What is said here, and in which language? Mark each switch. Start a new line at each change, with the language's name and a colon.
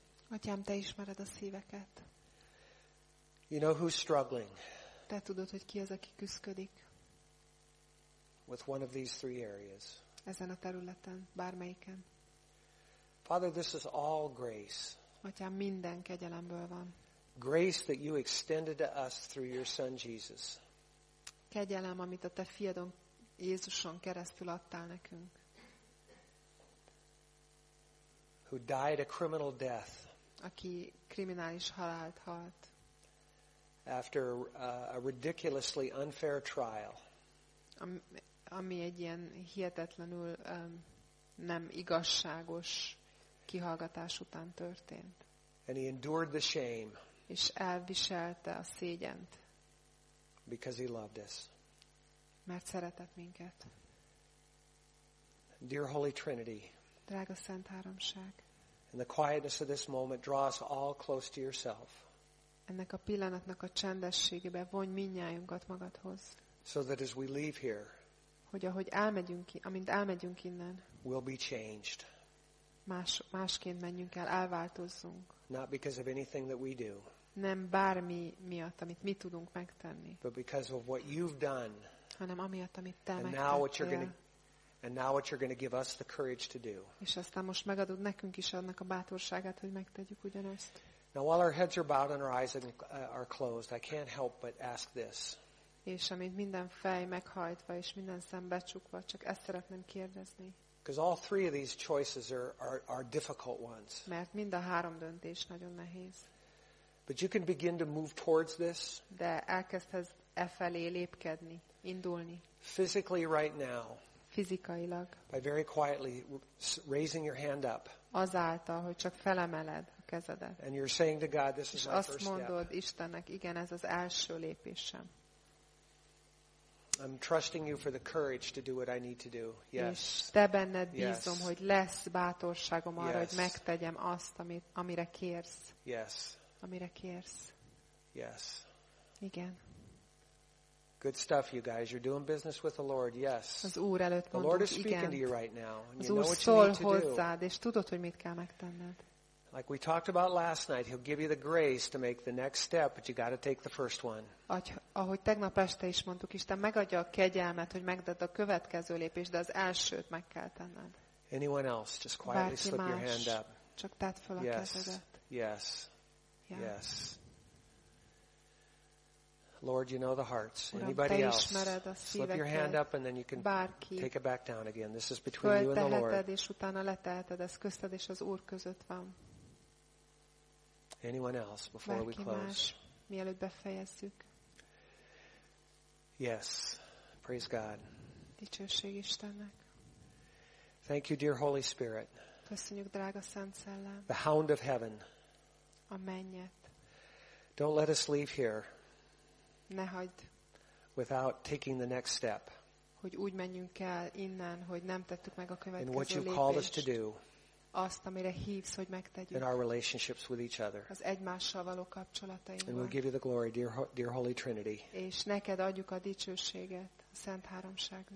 Hungarian: Atyám, te ismered a szíveket.
English: You know who's struggling.
Hungarian: Te tudod, hogy ki az, aki küszködik.
English: With one of these three areas.
Hungarian: Ezen a területen, bármelyiken.
English: Father, this is all grace.
Hungarian: Atyám, minden kegyelemből van.
English: Grace that you extended to us through your son Jesus.
Hungarian: Kegyelem, amit a te fiadon Jézuson keresztül adtál nekünk.
English: Who died a criminal death.
Hungarian: Aki kriminális halált halt.
English: after a ridiculously unfair trial.
Hungarian: Ami egy ilyen hihetetlenül nem igazságos kihallgatás után történt.
English: And he endured the shame.
Hungarian: És elviselte a szégyent.
English: Because he loved us.
Hungarian: Mert szeretett minket.
English: Dear Holy Trinity.
Hungarian: Drága Szent Háromság.
English: In the quietness of this moment, draw us all close to yourself.
Hungarian: Ennek a pillanatnak a csendességébe vonj mindnyájunkat magadhoz.
English: So that as we leave here,
Hungarian: hogy ahogy elmegyünk, amint elmegyünk innen,
English: we'll be changed.
Hungarian: Másként menjünk el, elváltozzunk.
English: Not because of anything that we do.
Hungarian: Nem bármi miatt, amit mi tudunk megtenni.
English: But because of what you've done.
Hungarian: Hanem amiatt, amit te megtettél.
English: And now what you're going to give us the courage to do.
Hungarian: És aztán most megadod nekünk is annak a bátorságát, hogy megtegyük ugyanezt.
English: Now while our heads are bowed and our eyes are closed, I can't help but ask this.
Hungarian: És amint minden fej meghajtva és minden szem becsukva, csak ezt szeretném kérdezni.
English: Because all three of these choices are difficult ones.
Hungarian: Mert mind a három döntés nagyon nehéz.
English: But you can begin to move towards this.
Hungarian: De elkezdhetsz e felé lépkedni, indulni.
English: Physically right now.
Hungarian: Fizikailag.
English: By very quietly raising your hand up.
Hungarian: Azáltal, hogy csak felemeled a kezedet.
English: And you're saying to God, this is my first step.
Hungarian: És azt mondod Istennek, igen, ez az első lépésem.
English: I'm trusting you for the courage to do what I need to do. Yes.
Hungarian: Te benned bízom, hogy lesz bátorságom arra, hogy megtegyem azt, amire kérsz.
English: Yes.
Hungarian: Amire kérsz.
English: Yes.
Hungarian: Igen.
English: Good stuff, you guys. You're doing business with the Lord. Yes.
Hungarian: Az Úr előtt mondok,
English: the Lord is speaking to you right now.
Hungarian: Az Úr szól hozzád, és tudod, hogy mit kell megtenned.
English: Like we talked about last night, he'll give you the grace to make the next step, but you got to take the first one.
Hungarian: Ahogy tegnap este is mondtuk, Isten megadja a kegyelmet, hogy megtedd a következő lépést, de az elsőt meg kell tenned.
English: Anyone else? Just quietly slip your hand up.
Hungarian: Csak tedd fel a kezedet.
English: Yes. Yes. Lord, you know the hearts. Anybody else? Slip your hand up and then you can take it back down again. This is between you and the Lord.
Hungarian: Fölteheted és utána leteheted, ez közted és az Úr között van.
English: Anyone else before we close?
Hungarian: Mielőtt befejezzük.
English: Yes. Praise God.
Hungarian: Dicsőség Istennek.
English: Thank you, dear Holy Spirit.
Hungarian: Köszönjük, drága Szent Szellem.
English: The Hound of Heaven.
Hungarian: A mennyet.
English: Don't let us leave here.
Hungarian: Ne hagyd.
English: Without taking the next step.
Hungarian: Hogy úgy menjünk el innen, hogy nem tettük meg a következő lépést.
English: In what you've called us to do.
Hungarian: Azt, amire hívsz, hogy megtegyük.
English: In our relationships with each other.
Hungarian: Az egymással való kapcsolatainkban.
English: And we'll give you the glory, dear Holy Trinity.
Hungarian: És neked adjuk a dicsőséget, a Szent Háromságnak.